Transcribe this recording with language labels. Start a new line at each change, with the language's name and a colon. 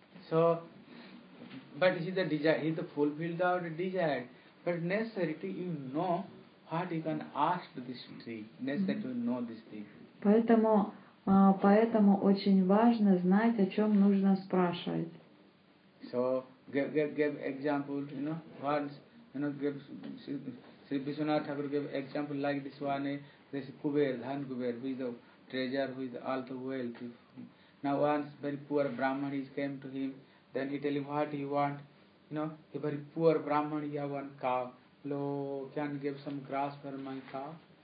English: So, but he's the desire, he's the fulfilled out the desire. But necessary to you know what you can ask this tree. Necessary to know this thing.
Russian: Поэтому, поэтому очень важно знать, о чем нужно спрашивать.
English: So, give example, you know, words, you know, give, Sri Vishwanath Thakur gave example like this one, this Kuber, Dhan Kuber, who is the treasure, who is the all the wealth. Now once very poor Brahman is came to him, then he tell you what he want, you know, the very poor Brahman, he have one cow, lo, can give some grass for my cow.